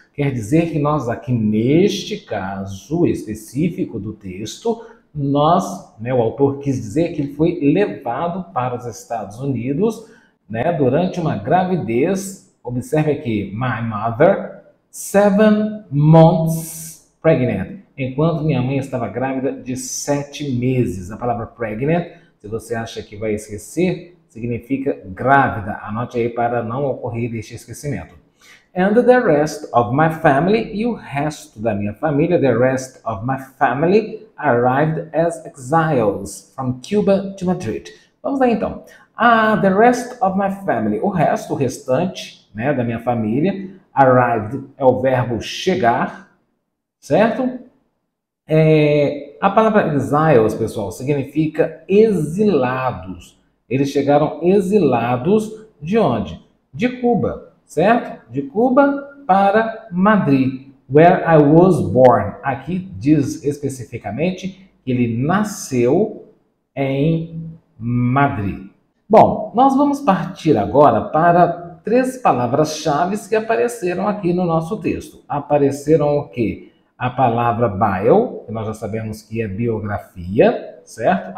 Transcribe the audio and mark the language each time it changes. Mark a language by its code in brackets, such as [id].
[pt] Quer dizer que nós aqui, neste caso específico do texto, nós, né, o autor quis dizer que ele foi levado para os Estados Unidos, né, durante uma gravidez, observe aqui, [en] my mother, 7 months pregnant, [pt] enquanto minha mãe estava grávida de 7 meses. A palavra pregnant, se você acha que vai esquecer, significa grávida. Anote aí para não ocorrer este esquecimento. [en] And the rest of my family, [pt] e o resto da minha família, [en] the rest of my family arrived as exiles from Cuba to Madrid. [pt] Vamos lá então. Ah, [en] the rest of my family, [pt] o resto, o restante, né, da minha família, arrived é o verbo chegar, certo? A palavra exiles, pessoal, significa exilados. Eles chegaram exilados de onde? De Cuba, certo? De Cuba para Madrid, [en] where I was born. [pt] Aqui diz especificamente que ele nasceu em Madrid. Bom, nós vamos partir agora para três palavras-chave que apareceram aqui no nosso texto. Apareceram o quê? A palavra bio, que nós já sabemos que é biografia, certo?